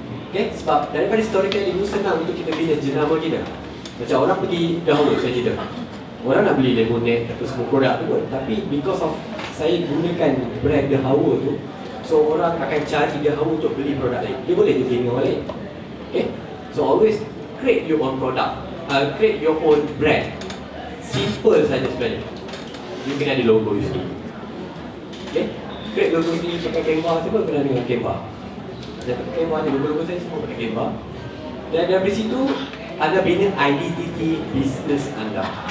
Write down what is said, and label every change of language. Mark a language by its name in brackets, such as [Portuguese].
[Malay] Okay, sebab daripada storytelling tu senang untuk kita bina jenama kita. Macam orang pergi dahulu saya cerita, orang nak beli lemonade atau semua produk tu pun, tapi because of saya gunakan brand The Hour tu, so orang akan cari The Hour untuk beli produk lain. Dia boleh juga dengan orang lain. Okay? [English] So always create your own product, create your own brand. [Malay] Simple saja sebenarnya. You kena ada logo you sendiri. Okay? Create logo sendiri pakai Canva. Siapa kena dengan Canva? Dan pakai Canva ada logo-logo saya semua pakai Canva. Dan dari situ anda bina identiti bisnes anda.